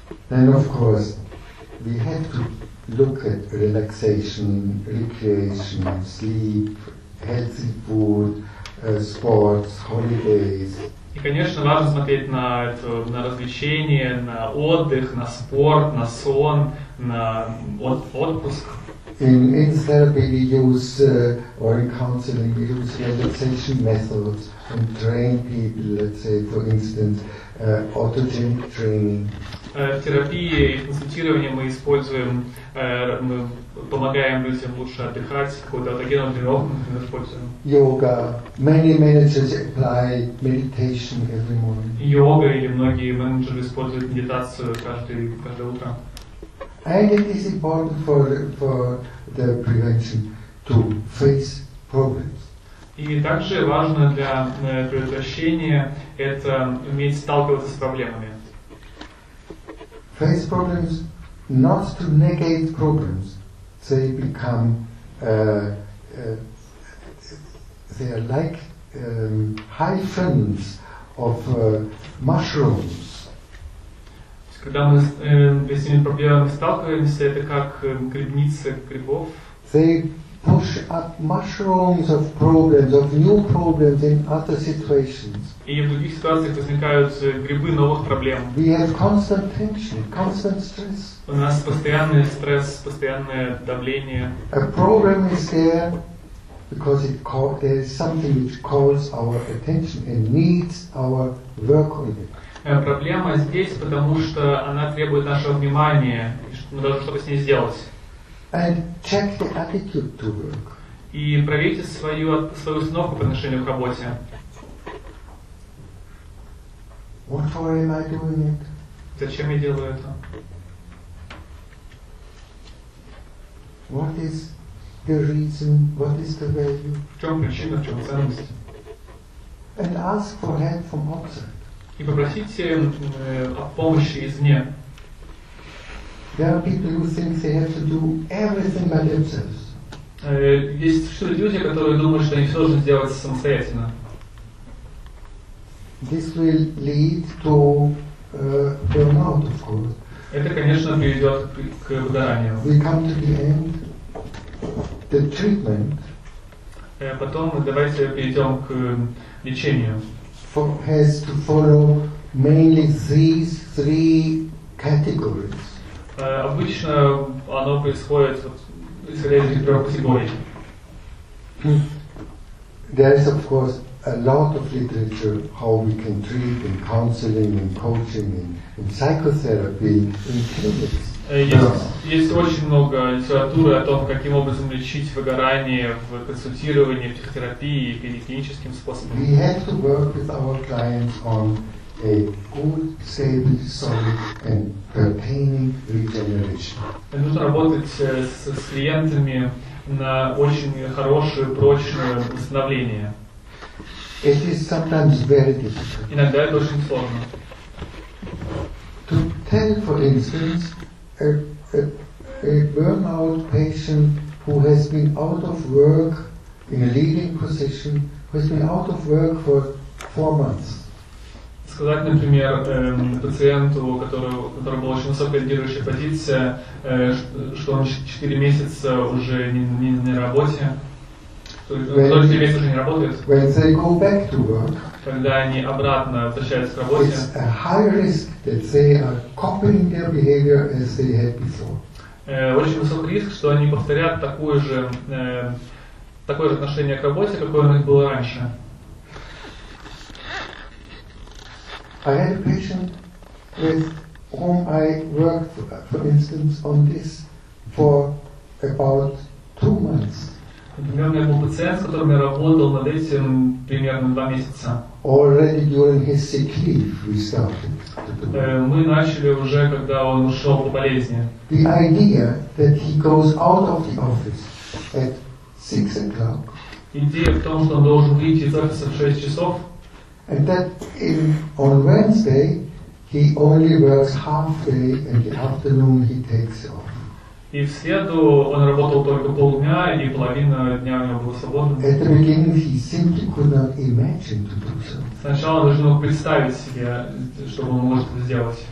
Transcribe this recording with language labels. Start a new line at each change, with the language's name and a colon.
English: And of course, we have to look at relaxation, recreation, sleep, healthy food, sports, holidays.
Russian: И, конечно, важно смотреть на это, на развлечения, на отдых, на спорт, на сон, на отпуск.
English: In therapy we use, or in counseling, we use relaxation methods and train people, let's say, for instance, autogenic training.
Russian: В терапии и консультировании мы используем, мы помогаем людям лучше отдыхать, какую-то аутогенную тренировку мы используем.
English: Йога. Many managers apply meditation every morning.
Russian: Йога или многие менеджеры используют медитацию каждое утро.
English: And it is important for the prevention to face problems.
Russian: И также важно для предотвращения это уметь сталкиваться с проблемами.
English: Face problems, not to negate problems. They become, they are like hyphens of mushrooms.
Russian: Когда мы с этими проблемами сталкиваемся, это как грибница грибов.
English: They push up mushrooms of problems, of new problems in other situations.
Russian: И в других ситуациях возникают грибы новых проблем.
English: We have constant tension, constant stress.
Russian: У нас постоянный стресс, постоянное давление.
English: A problem is there because it there is something which calls our attention and needs our work on it.
Russian: Проблема здесь, потому что она требует нашего внимания, мы должны что-то с ней сделать.
English: And check the attitude to work.
Russian: И проверьте свою установку по отношению к работе.
English: What for am I doing it?
Russian: Зачем я делаю это?
English: What is the reason? What is the value?
Russian: В чем причина, в чем ценность?
English: And ask for help from outside.
Russian: И попросите о помощи извне.
English: There are people who think they have to do everything by themselves.
Russian: Есть существуют люди, которые думают, что они все должны сделать самостоятельно.
English: This will lead to burnout, of course.
Russian: Это, конечно, приведет к выгоранию.
English: We come to the end. The treatment.
Russian: Потом давайте перейдем к лечению.
English: Has to follow mainly these three categories.
Russian: Обычно оно происходит исходя из трех категорий.
English: There is, of course, a lot of literature how we can treat in counseling and coaching and psychotherapy in clinics.
Russian: Есть очень много литературы о том, каким образом лечить выгорание в консультировании, в психотерапии или клиническим способом.
English: We have to work with our clients on a good, stable, solid and pertaining regeneration.
Russian: Нужно работать с клиентами на очень хорошее, прочное восстановление.
English: It is sometimes very difficult.
Russian: Иногда это очень сложно.
English: To tell, for instance, a burnout patient who has been out of work in a leading position, who has been out of work for 4 months.
Russian: Сказать, например, пациенту, который был очень высокая лидирующая позиция, что он 4 месяца уже не на работе.
English: When they go back to work,
Russian: когда они обратно возвращаются к работе,
English: it's a high risk that they are copying their behavior as they had before.
Russian: Очень высокий риск, что они повторят такое же отношение к работе, какое у них было раньше.
English: I had a patient with whom I worked, for instance, on this for about 2 months.
Russian: Например, у меня был пациент, с которым я работал над этим примерно 2 месяца.
English: Already during his sick leave we started.
Russian: Мы начали уже, когда он ушел по болезни.
English: The idea that he goes out of the office at 6 o'clock.
Russian: Идея в том, что он должен выйти из офиса в 6 часов.
English: And that if on Wednesday he only works half day and the afternoon he takes off.
Russian: И в среду он работал только полдня, и половина дня у него была свободна.
English: At the beginning he simply could not imagine to do so.
Russian: Сначала он должен был представить себе, что он может это сделать.